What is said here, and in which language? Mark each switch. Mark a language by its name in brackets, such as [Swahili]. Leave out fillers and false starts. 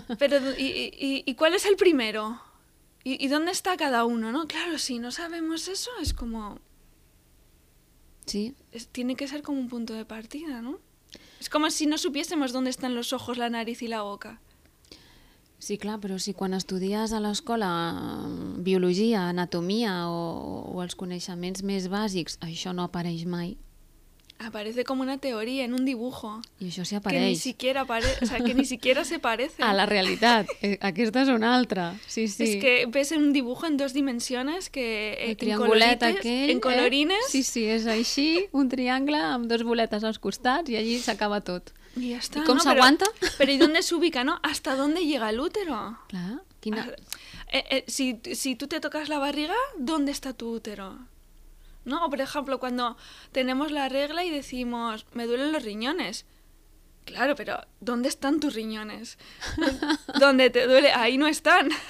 [Spanish] Pero, ¿y cuál es el primero? ¿Y dónde está cada uno, no? Claro, si no sabemos eso, es como... Sí. Tiene que ser como un punto de partida, ¿no? Es como si no supiésemos dónde están los ojos, la nariz y la boca. [Catalan] Sí, clar, però si quan estudies a l'escola biologia, anatomia o els coneixements més bàsics, això no apareix mai. [Spanish] Aparece como una teoría en un dibujo. [Catalan] I això sí apareix. [Spanish] Que ni siquiera se parece. [Catalan] A la realitat. Aquesta és una altra. Sí, sí. [Spanish] Es que ves en un dibujo en dos dimensiones que... [Catalan] El triangulet aquell. [Spanish] En colorines. [Catalan] Sí, sí, és així. Un triangle amb dos boletes als costats i allí s'acaba tot. I ja està. I com s'aguanta? Però i d'on s'ubica, no? [Spanish] Hasta dónde llega el útero. [Catalan] Clar. Quina... [Spanish] Si tú te tocas la barriga, ¿dónde está tu útero? No, por ejemplo, cuando tenemos la regla y decimos, me duelen los riñones. Claro, pero ¿dónde están tus riñones? ¿Dónde te duele? Ahí no están.